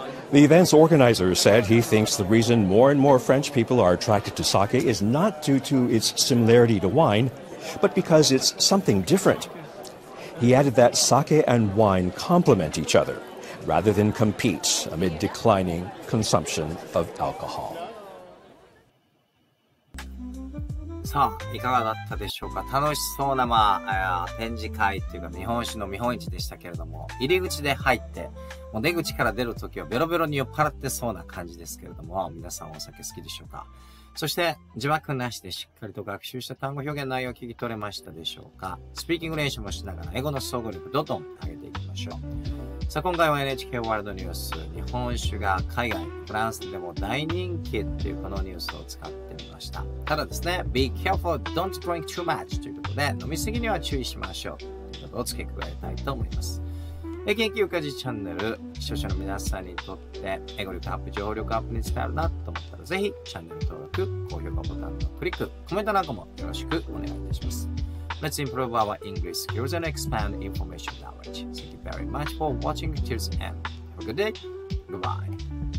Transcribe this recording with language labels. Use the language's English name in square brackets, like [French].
[English] The event's organizer said he thinks the reason more and more French people are attracted to sake is not due to its similarity to wine, but because it's something different. He added that sake and wine complement each other, rather than compete amid declining consumption of alcohol. [Japanese] さあ、いかがだったでしょうか。楽しそうな、まあ、展示会っていうか、日本酒の見本市でしたけれども、入り口で入って、もう出口から出るときはベロベロに酔っ払ってそうな感じですけれども、皆さんお酒好きでしょうか。そして、字幕なしでしっかりと学習した単語表現内容を聞き取れましたでしょうか。スピーキング練習もしながら、英語の総合力、どんどん上げていきましょう。さあ、今回は NHK ワールドニュース、日本酒が海外、フランスでも大人気っていうこのニュースを使ってみました。ただですね、 [English] Be careful, don't drink too much [Japanese] ということで、飲みすぎには注意しましょうということを付け加えたいと思います。研究家事チャンネル、視聴者の皆さんにとって、英語力アップ、情報力アップに使えるなと思ったら、ぜひ、チャンネル登録、高評価ボタンのクリック、コメントなんかもよろしくお願いいたします。 [English] Let's improve our English skills and expand information knowledge. Thank you very much for watching till the end. Have a good day. Goodbye.